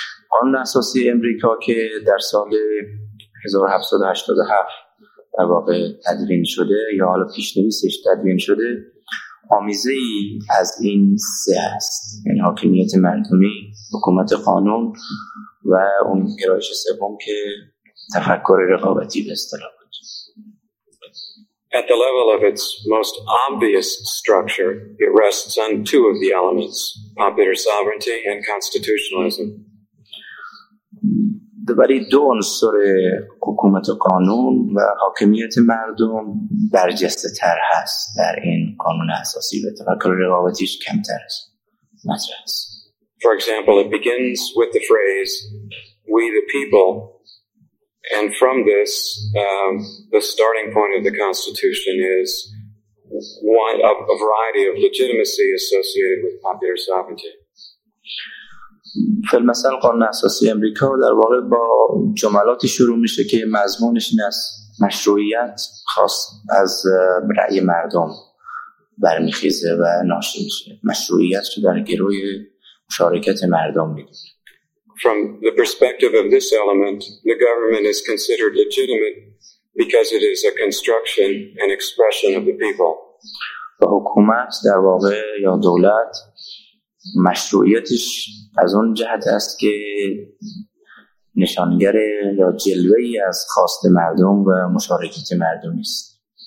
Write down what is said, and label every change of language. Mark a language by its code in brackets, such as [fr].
[fa] قانون اساسی امریکا که در سال 1787 در واقع تدوین شده یا حالا پیشنویسش تدوین شده آمیزه ای از این سه است، یعنی حاکمیت مردمی، حکومت قانون و اون گرایش سوم که تفکر رقابتی به اصطلاح بود. [en] At the level of its most obvious structure, it rests on two of the elements, popular sovereignty and constitutionalism. [fa] دوباره دو عنصر حکومت قانون و حاکمیت مردم برجسته تر هست در این قانون اساسی و تفکر رقابتیش کمتر است. مطرح است. [en] For example, it begins with the phrase "We the people," and from this, the starting point of the Constitution is one of a variety of legitimacy associated with popular sovereignty. [fa] فیلم مثلا قانون اساسی امریکا در واقع با جملاتی شروع میشه که مضمونش این است مشروعیت خاص از رأی مردم برمیخیزه و ناشی میشه مشروعیت که در گروه مشارکت مردم میگیره. [en] From the perspective of this element, the government is considered legitimate because it is a construction and expression of the people. [fa] و حکومت در واقع یا دولت مشروعیتش از اون جهت است که نشانگر یا جلوه ای از خواست مردم و مشارکت مردم است.